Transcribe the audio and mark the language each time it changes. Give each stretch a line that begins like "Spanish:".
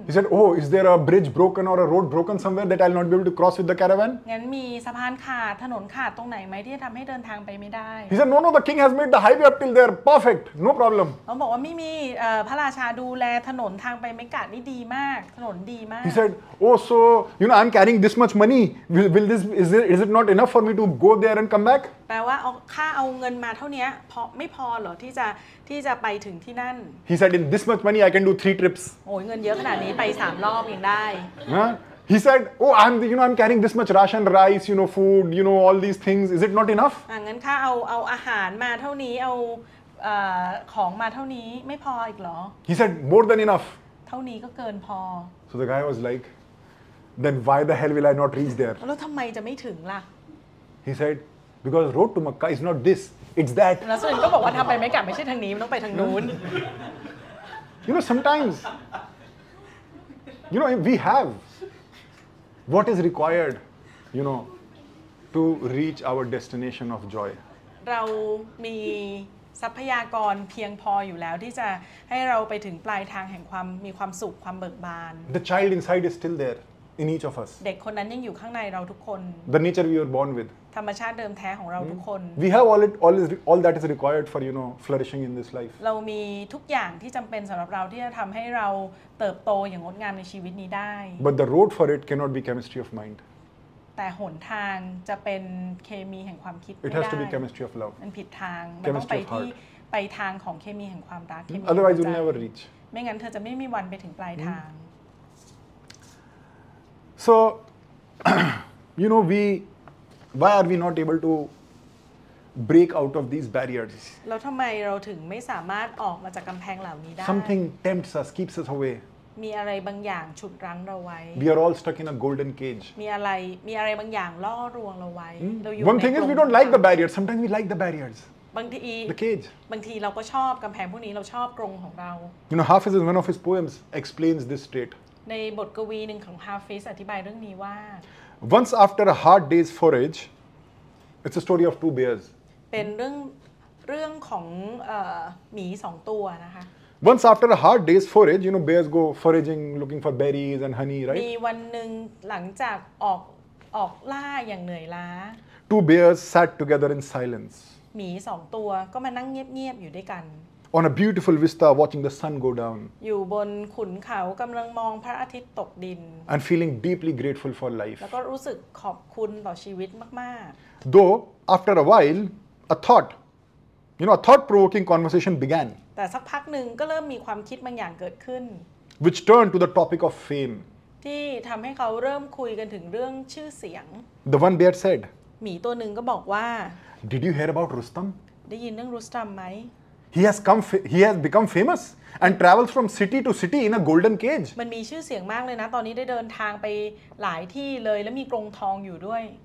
English: He said, "Oh, is there a bridge broken or a road broken somewhere that I'll not be able to cross with the caravan?"
Thai: งั้นมีสะพานขาดถนนขาดตรงไหนไหมที่จะทำให้เดินทางไปไม่ได้
English: He said, "No, the king has made the highway up till there perfect. No problem."
Thai: เขาบอกว่าไม่มีพระราชาดูแลถนนทางไปเมกะนี่ดีมากถนนดีมาก
English: He said, "Oh, so you know I'm carrying this much money. Will this is it not enough for me to go there and come back?"
Thai: แปลว่าค่าเอาเงินมาเท่านี้พอไม่พอเหรอที่จะไปถึงที่นั่น
English: He said, "In this much money, I can do 3 trips."
Thai: โอ้ยเงินเยอะขนาดนี้ไป3รอบยังได้
English: He said, "Oh, I'm carrying this much ration, rice, you know, food, you know, all these things. Is it not enough?"
Thai: งั้นค่าเอาอาหารมาเท่านี้เอาของมาเท่านี้ไม่พออีกเหรอ
English: He said, "More than enough."
Thai: เท่านี้ก็เกินพอ
English: So the guy was like, "Then why the hell will I not reach there?"
Thai: แล้วทำไมจะไม่ถึงล่ะ
English: He said. Because road to Makkah is not this, it's that.
Thai: แล้วส่วนก็บอกว่าทำไปไม่กลับไม่ใช่ทางนี้มันต้องไปทางนู้น
English: You know, sometimes, you know, we have what is required, you know, to reach our destination of joy.
Thai: เรามีทรัพยากรเพียงพออยู่แล้วที่จะให้เราไปถึงปลายทางแห่งความมีความสุขความเบิกบาน
English: The child inside is still there. in each of us
Thai: เด็กคนนั้นยังอยู่ข้างในเราทุกคน
English: the nature we were born with
Thai: ธรรมชาติเดิมแท้ของเราทุกคน
English: we have all it all is all that is required for you know flourishing in this life
Thai: เรามีทุกอย่างที่จำเป็นสำหรับเราที่จะทำให้เราเติบโตอย่างงดงามในชีวิตนี้ได้
English: but the road for it cannot be chemistry of mind
Thai: แต่หนทางจะเป็นเคมีแห่งความคิด
English: It has to be chemistry of love
Thai: มันผิดทางมันต้องไปที่ไปทางของเคมีแห่งความรัก
English: Otherwise you'll never reach
Thai: ไม่งั้นเธอจะไม่มีวันไปถึงปลายทาง
English: So you know we why are we not able to break out of these barriers
Thai: แล้วทำไมเราถึงไม่สามารถออกมาจากกำแพงเหล่านี้ได้
English: Something tempts us keeps us awaym
Thai: อะไรบางอย่างฉุดรั้งเราไว้
English: We are all stuck in a golden cage
Thai: มีอะไรบางอย่างล่อรวงเราไว้ เราอ
English: ยู่ One thing is we don't like the barriers sometimes we like the barriers
Thai: บางที
English: the cage
Thai: บางทีเราก็ชอบกำแพงพวกนี้เราชอบกรงของเรา
English: You know Hafiz in one of his poems explains this trait
Thai: ในบทกวีนึงของ Hafiz อธิบายเรื่องนี้ว่า
English: Once after a hard day's forage it's a story of two bears
Thai: เป็นเรื่องของหมี2ตัวนะคะ
English: Once after a hard day's forage, you know, bears go foraging, looking for berries and honey, right?
Thai: มีวันหนึ่งหลังจากออกล่าอย่างเหนื่อยล้า
English: Two bears sat together in silence.
Thai: หมีสองตัวก็มานั่งเงียบๆอยู่ด้วยกัน
English: On a beautiful vista, watching the sun go down.
Thai: อยู่บนขุนเขากำลังมองพระอาทิตย์ตกดิน
English: And feeling deeply grateful for life.
Thai: แล้วก็รู้สึกขอบคุณต่อชีวิตมาก
English: ๆ Though, after a while, a thought, you know, a thought-provoking conversation began.
Thai: แต่สักพักหนึ่งก็เริ่มมีความคิดบางอย่างเกิดขึ้น
English: which turned to the topic of fame
Thai: ที่ทำให้เขาเริ่มคุยกันถึงเรื่องชื่อเสียง
English: the one bear said
Thai: หมีตัวหนึ่งก็บอกว่า
English: did you hear about Rustam
Thai: ได้ยินเรื่องรุสตัมไหม
English: he has become famous and travels from city to city in a golden cage
Thai: มันมีชื่อเสียงมากเลยนะตอนนี้ได้เดินทางไปหลายที่เลยและมีกรงทองอยู่ด้วย